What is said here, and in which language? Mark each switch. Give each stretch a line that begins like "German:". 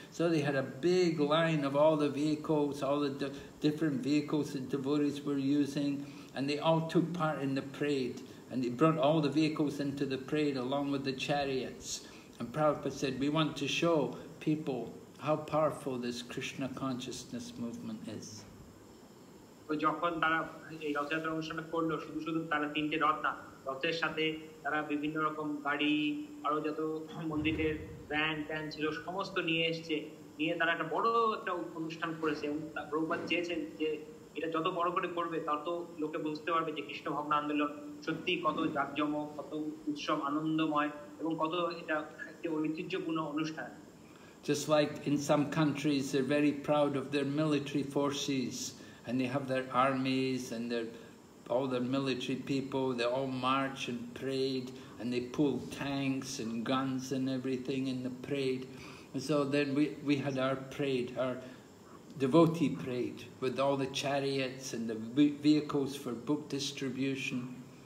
English: So they had a big line of all the vehicles, all the different vehicles that devotees were using, and they all took part in the parade. And they brought all the vehicles into the parade along with the chariots. And Prabhupada said, we want to show people how powerful this Krishna consciousness movement is.
Bangla: যখন তারা এই রথযাত্রা অনুষ্ঠান করলো শুধু শুধু তারা তিনটে রথ না রথের সাথে তারা বিভিন্ন রকম গাড়ি আরো যত মন্দিরের ব্যান ব্যান ছিল সমস্ত নিয়ে এসছে নিয়ে তারা একটা বড় একটা অনুষ্ঠান করেছে প্রভুপাদ চেয়েছেন যে এটা যত বড় করে করবে তত লোকে বুঝতে পারবে যে কৃষ্ণ ভাবনা আন্দোলন সত্যি কত জাঁকজমক কত উৎসব আনন্দময় এবং কত এটা একটা ঐতিহ্যপূর্ণ অনুষ্ঠান
English: Just like in some countries, they're very proud of their military forces, and they have their armies and their all their military people. They all march and parade, and they pull tanks and guns and everything in the parade. And so then we had our parade, our devotee parade, with all the chariots and the vehicles for book distribution.